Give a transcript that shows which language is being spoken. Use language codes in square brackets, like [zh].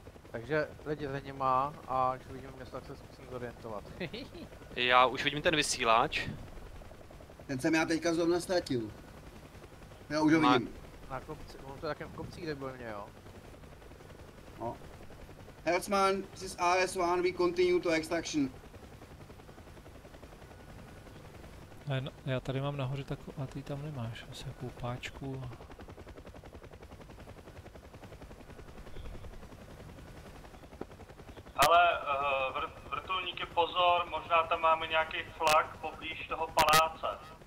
[cs] Takže lidi za nima a až uvidím město, tak se zkusím zorientovat. Já už vidím ten vysíláč. Ten jsem já teďka zrovna ztratil. Já už ho vidím. na kopci, on to takém kopci, kde byl mě, jo? No. [en] Hertzman, this is AS1, we continue to extraction. [cs] Já tady mám nahoře takovou, a ty tam nemáš asi jakou páčku. Ale vrtulníky pozor, možná tam máme nějaký flak poblíž toho paláce.